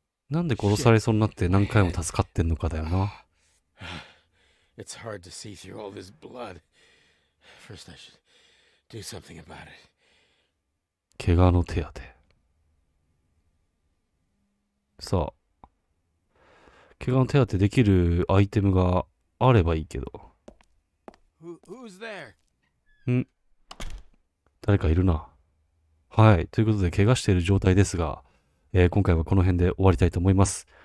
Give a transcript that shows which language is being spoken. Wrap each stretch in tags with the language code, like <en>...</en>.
<ja>なんで殺されそうになって何回も助かってんのかだよな。</ja> <en>It's hard to see through all this blood. First, I should do something about it.</en> <ja>怪我の手当て。さあ、怪我の手当てできるアイテムがあればいいけど。</ja> <en>Who's there?</en> <ja>ん？誰かいるな。はい、ということで怪我している状態ですが、今回はこの辺で終わりたいと思います。</ja>